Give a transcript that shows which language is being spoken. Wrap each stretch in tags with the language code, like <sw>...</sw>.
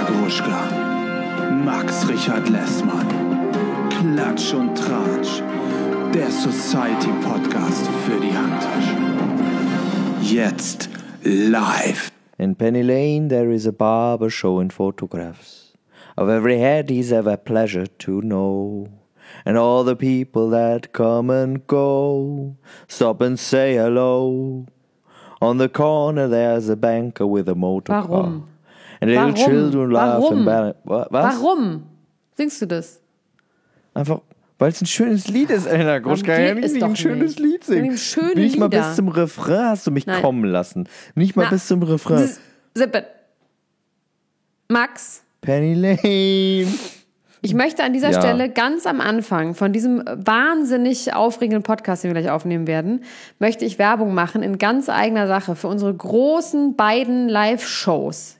<de>Matuschka, Max Richard Lessmann, Klatsch und Tratsch, der Society-Podcast für die Handtasche. Jetzt live.</de> <en>In Penny Lane there is a barber showing photographs of every head he's ever pleasured to know. And all the people that come and go stop and say hello. On the corner there's a banker with a motorcar.</en> <de>Warum?</de> <en>And little children laugh and</en> <de>was? Warum singst du das? Einfach, weil es ein schönes Lied ist, Elena Gruschka. Ja, ich ein schönes Lied singen. Nicht mal bis zum Refrain hast du mich kommen lassen. Nicht mal bis zum Refrain. Sippe. Max. Penny Lane. Ich möchte an dieser Stelle ganz am Anfang von diesem wahnsinnig aufregenden Podcast, den wir gleich aufnehmen werden, möchte ich Werbung machen in ganz eigener Sache für unsere großen beiden Live-Shows.</de>